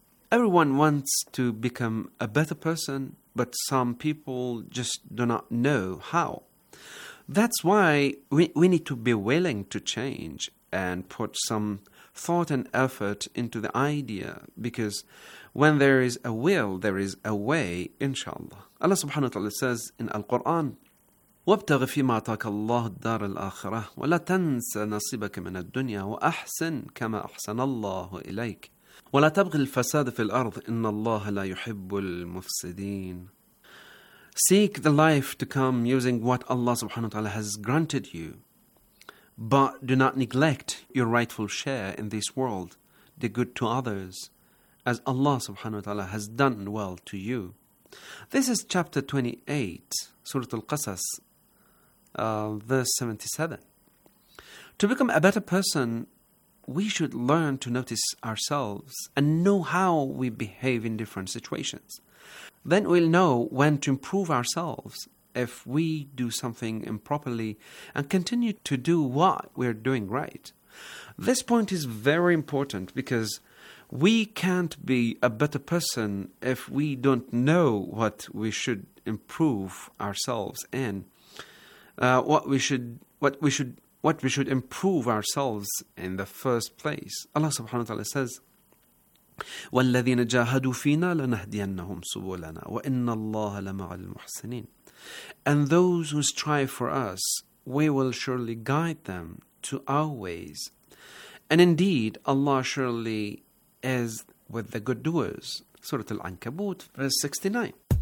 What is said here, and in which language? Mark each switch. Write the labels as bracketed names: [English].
[English] Everyone wants to become a better person, but some people just do not know how. That's why we need to be willing to change and put some thought and effort into the idea, because when there is a will, there is a way, inshallah. Allah subhanahu wa ta'ala says in Al-Quran, [Arabic] وَابْتَغِ فِي مَا عَطَاكَ اللَّهُ الدَّارَ الْآخِرَةِ وَلَا تَنْسَ نَصِيبَكَ مِنَ الدُّنْيَا وَأَحْسِنْ كَمَا أَحْسَنَ اللَّهُ إِلَيْكَ وَلَا تَبْغِ الْفَسَادَ فِي الْأَرْضِ إِنَّ اللَّهَ لَا يُحِبُّ الْمُفْسِدِينَ. [English] Seek the life to come using what Allah subhanahu wa ta'ala has granted you, but do not neglect your rightful share in this world, the good to others, as Allah subhanahu wa ta'ala has done well to you. This is chapter 28, Surah Al-Qasas, verse 77. To become a better person, we should learn to notice ourselves and know how we behave in different situations. Then we'll know when to improve ourselves if we do something improperly and continue to do what we're doing right. This point is very important because we can't be a better person if we don't know what we should improve ourselves in, what we should improve ourselves in the first place. Allah subhanahu wa ta'ala says, [Arabic] وَالَّذِينَ جَاهَدُوا فِينَا لَنَهْدِيَنَّهُمْ سُبُولَنَا وَإِنَّ اللَّهَ لَمَعَ الْمُحْسِنِينَ. [English] And those who strive for us, we will surely guide them to our ways. And indeed, Allah surely is with the good doers. Surah Al-Ankabut, verse 69.